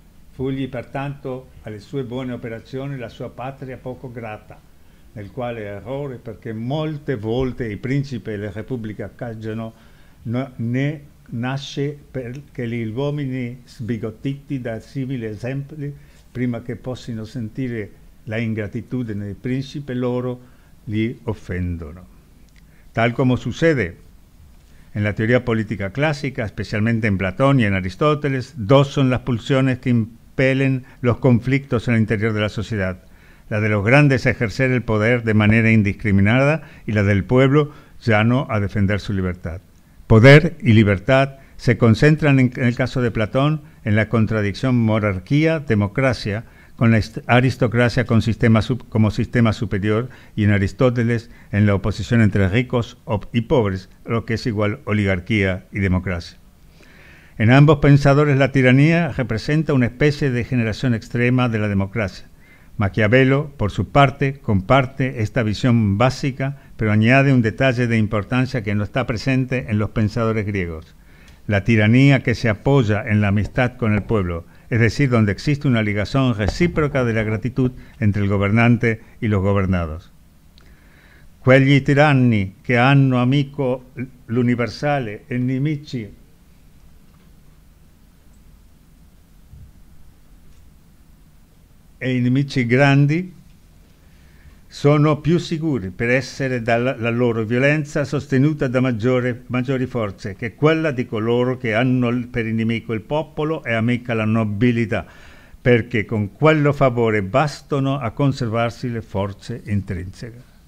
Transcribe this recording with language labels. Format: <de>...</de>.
<it>Fulgli pertanto alle sue buone operazioni la sua patria poco grata, nel quale errore perché molte volte i principi e le repubbliche cagiono, né nasce perché gli uomini sbigottiti da simili esempi, prima che possano sentire la ingratitudine dei principi loro, li offendono.</it> <es>Tal come succede en la teoría política clásica, especialmente en Platón y en Aristóteles, dos son las pulsiones que impelen los conflictos en el interior de la sociedad: la de los grandes a ejercer el poder de manera indiscriminada y la del pueblo llano a defender su libertad. Poder y libertad se concentran en el caso de Platón en la contradicción monarquía-democracia con la aristocracia como sistema superior, y en Aristóteles en la oposición entre ricos y pobres, lo que es igual oligarquía y democracia. En ambos pensadores la tiranía representa una especie de generación extrema de la democracia. Maquiavelo, por su parte, comparte esta visión básica, pero añade un detalle de importancia que no está presente en los pensadores griegos: la tiranía que se apoya en la amistad con el pueblo, es decir, donde existe una ligación recíproca de la gratitud entre el gobernante y los gobernados.</es> <it>Quegli tiranni che hanno amico l'universale e nemici e nemici grandi sono più sicuri per essere dalla loro violenza sostenuta da maggiori forze che quella di coloro che hanno per inimico il popolo e amica la nobiltà, perché con quello favore bastano a conservarsi le forze intrinseche.</it>